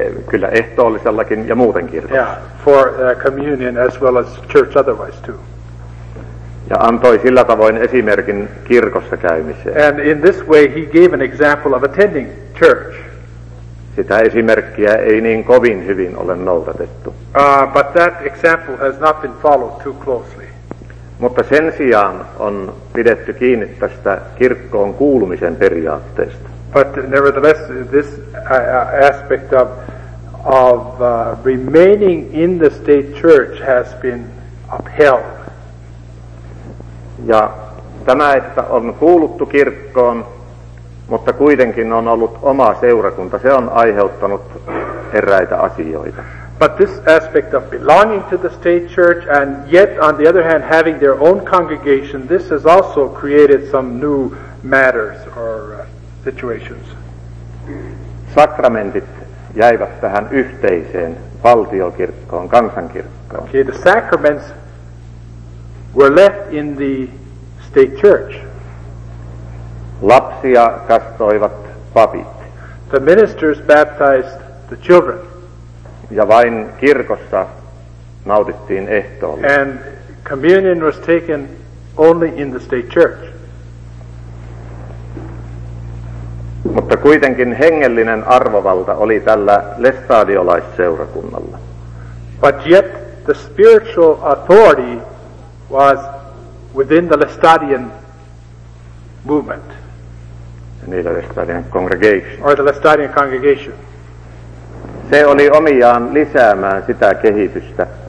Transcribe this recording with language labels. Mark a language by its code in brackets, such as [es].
[fi] Kyllä ehtoollisellakin ja muuten kirkossa. [en] Yeah, for communion as well as church otherwise too. [fi] Ja antoi sillä tavoin esimerkin kirkossa käymiseen. [en] And in this way he gave an example of attending church. [fi] Sitä esimerkkiä ei niin kovin hyvin ole noudatettu. [en] But that example has not been followed too closely. [fi] Mutta sen sijaan on pidetty kiinni tästä kirkkoon kuulumisen periaatteesta. [en] But nevertheless, this aspect of remaining in the state church has been upheld. [fi] Ja tämä, että on kuuluttu kirkkoon, mutta kuitenkin on ollut oma seurakunta, se on aiheuttanut eräitä asioita. [en] But this aspect of belonging to the state church and yet, on the other hand, having their own congregation, this has also created some new matters or situations. [fi] Sakramentit jäivät tähän yhteiseen valtiokirkkoon, kansankirkkoon. [en] Okay, the sacraments were left in the state church. [fi] Lapsia kastoivat papit. [en] The ministers baptized the children. [fi] Ja vain kirkossa nautittiin ehtoolla. [en] And communion was taken only in the state church. [fi] Mutta kuitenkin hengellinen arvovalta oli tällä lestadiolaisseurakunnalla. [en] But yet the spiritual authority was within the Lestadian movement. [fi] Niillä [en] Lestadian congregation. Or the Lestadian congregation. [fi] Se oli omiaan lisäämään sitä kehitystä.